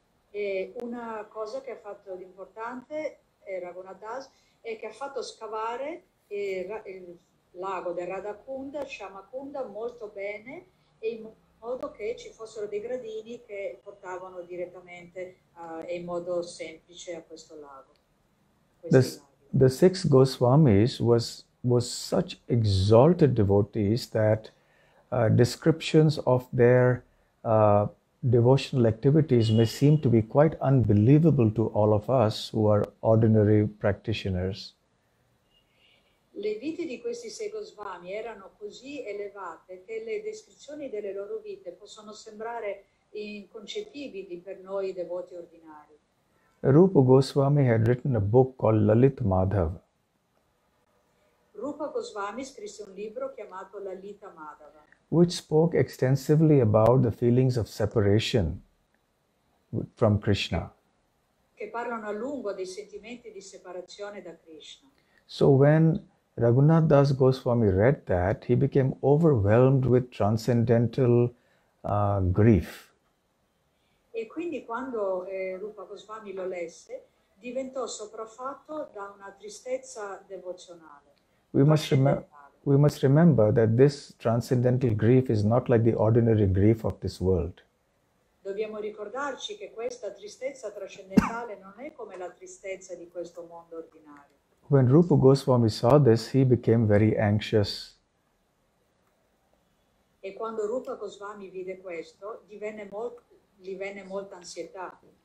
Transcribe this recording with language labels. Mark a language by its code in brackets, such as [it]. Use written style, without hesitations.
[it] E una cosa che ha fatto l'importante è Raghunath Das è che ha fatto scavare il lago del Radhakunda, Shyamkunda, molto bene, e in modo che ci fossero dei gradini che portavano direttamente e in modo semplice a questo lago. [en] The six Goswamis was such exalted devotees that descriptions of their devotional activities may seem to be quite unbelievable to all of us who are ordinary practitioners. [it] Le vite di questi sei Goswami erano così elevate che le descrizioni delle loro vite possono sembrare inconcepibili per noi devoti ordinari. [en] Rupa Goswami had written a book called Lalit Madhav. [it] Rupa Goswami scrisse un libro chiamato Lalita Madhava, [en] which spoke extensively about the feelings of separation from Krishna. [it] Che parlano a lungo dei sentimenti di separazione da Krishna. [en] So when Raghunath Das Goswami read that, he became overwhelmed with transcendental grief. [it] E quindi quando Rupa Goswami lo lesse, diventò sopraffatto da una tristezza devozionale. [en] We must remember that this transcendental grief is not like the ordinary grief of this world. [it] Dobbiamo ricordarci che questa tristezza trascendentale non è come la tristezza di questo mondo ordinario. [en] When Rupa Goswami saw this, he became very anxious. [it] E quando Rupa Goswami vide questo, gli venne molta ansietà.